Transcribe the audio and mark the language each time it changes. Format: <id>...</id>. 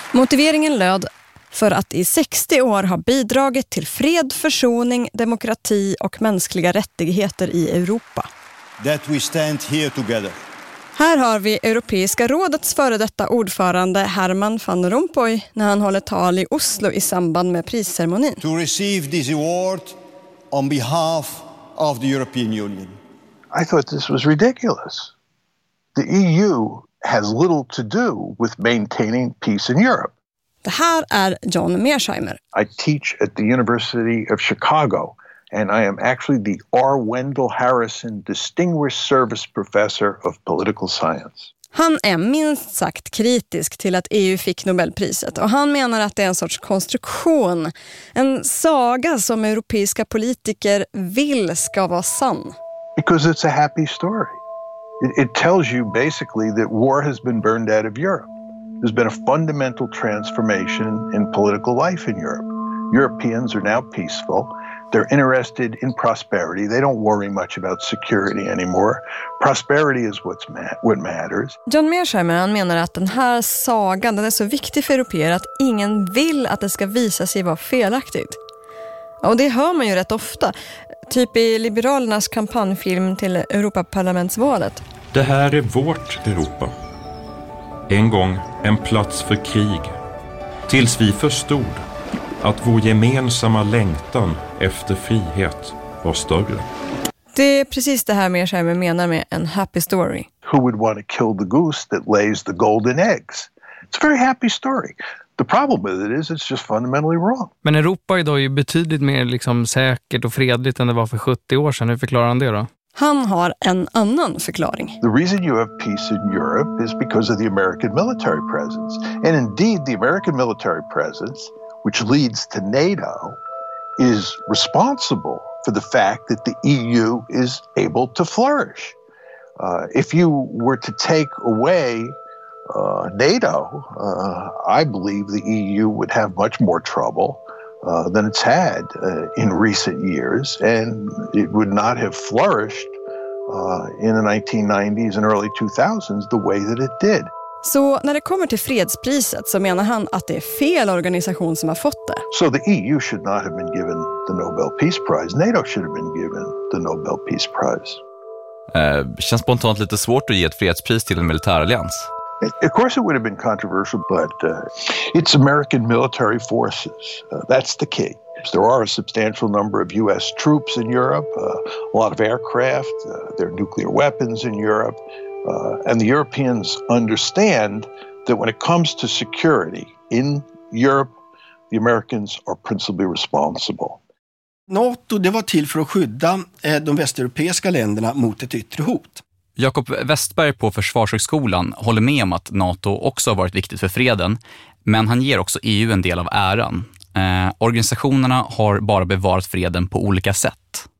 <sv>Motiveringen löd: för att i 60 år har bidragit till fred, försoning, demokrati och mänskliga rättigheter i Europa.</sv> <en>That we stand here together.</en> <sv>Här har vi Europeiska rådets före detta ordförande Herman Van Rompuy när han håller tal i Oslo i samband med prisceremonin.</sv> <en>To receive this award on behalf of the European Union. I thought this was ridiculous. The EU has little to do with maintaining peace in Europe.</en> <sv>Det här är John Mearsheimer.</sv> <en>I teach at the University of Chicago and I am actually the R. Wendell Harrison Distinguished Service Professor of Political Science.</en> <sv>Han är minst sagt kritisk till att EU fick Nobelpriset och han menar att det är en sorts konstruktion, en saga som europeiska politiker vill ska vara sann.</sv> <en>Because it's a happy story. It tells you basically that war has been burned out of Europe. There's been a fundamental transformation in political life in Europe. Europeans are now peaceful. They're interested in prosperity. They don't worry much about security anymore. Prosperity is what matters.</en> <sv>John Mearsheimer menar att den här sagan, den är så viktig för europeer att ingen vill att det ska visa sig vara felaktigt. Och det hör man ju rätt ofta. Typ i Liberalernas kampanjfilm till Europaparlamentsvalet. Det här är vårt Europa. En gång en plats för krig. Tills vi förstod att vår gemensamma längtan efter frihet var större. Det är precis det här Mearsheimer menar med en</sv> <en>happy story. Who would want to kill the goose that lays the golden eggs? It's a very happy story. The problem with it is it's just fundamentally wrong.</en> <sv>Men Europa idag är ju betydligt mer liksom säkert och fredligt än det var för 70 år sedan. Hur förklarar han det då? Han har en annan förklaring.</sv> <en>The reason you have peace in Europe is because of the American military presence. And indeed the American military presence, which leads to NATO, is responsible for the fact that the EU is able to flourish. If you were to take away NATO, I believe the EU would have much more trouble than it's had in recent years, and it would not have flourished in the 1990s and early 2000s the way that it did.</en> <sv>Så när det kommer till fredspriset så menar han att det är fel organisation som har fått det.</sv> <en>So the EU should not have been given the Nobel Peace Prize. NATO should have been given the Nobel Peace Prize.</en> <sv>Känns spontant lite svårt att ge ett fredspris till en militärallians.</sv> <en>Of course it would have been controversial, but it's American military forces. That's the key. There are a substantial number of US troops in Europe, a lot of aircraft, there are nuclear weapons in Europe. And the Europeans understand that when it comes to security in Europe, the Americans are principally responsible.</en> <sv>NATO, det var till för att skydda de västeuropeiska länderna mot ett yttre hot. Jakob Westberg på Försvarshögskolan håller med om att NATO också har varit viktigt för freden, men han ger också EU en del av äran. Organisationerna har bara bevarat freden på olika sätt.</sv>